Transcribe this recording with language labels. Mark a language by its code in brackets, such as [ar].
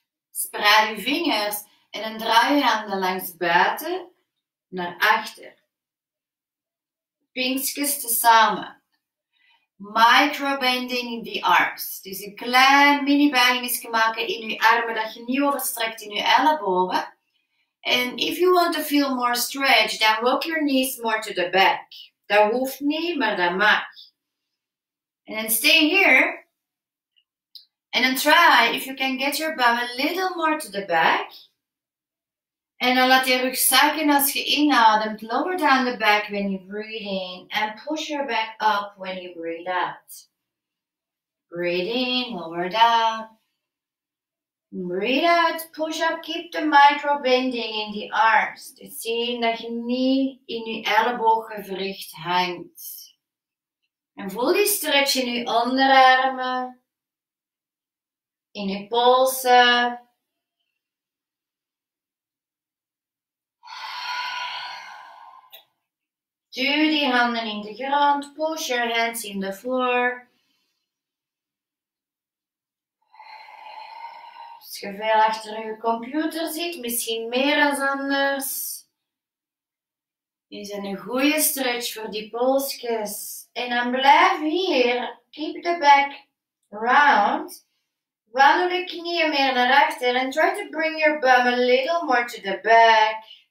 [nl] Spreid je vingers en dan draai je handen langs buiten naar achter. Pinkjes tezamen. [en] Microbending the arms. [nl] Dus een klein mini buiging maken in je armen dat je niet overstrekt in je ellebogen. [en] And if you want to feel more stretch, then walk your knees more to the back. [nl] Dat hoeft niet, maar dat mag. [en] And then stay here. And then try if you can get your bum a little more to the back. And then let your [nl] rug zakken als je inademt. [en] Lower down the back when you breathe in. And push your back up when you breathe out. Breathe in, lower down. Breathe out, push up, keep the micro bending in the arms. [nl] Dus zie dat je niet in je ellebogen gewricht hangt. En voel die stretch in je onderarmen, in je polsen. Duw die handen in de grond, [en] push your hands in the floor. [nl] Als je veel achter je computer zit, misschien meer dan anders. Is een goede stretch voor die polsjes. En dan blijf hier. [en] Keep the back round. [nl] Wandel de knieën meer naar achter. [en] And try to bring your bum a little more to the back.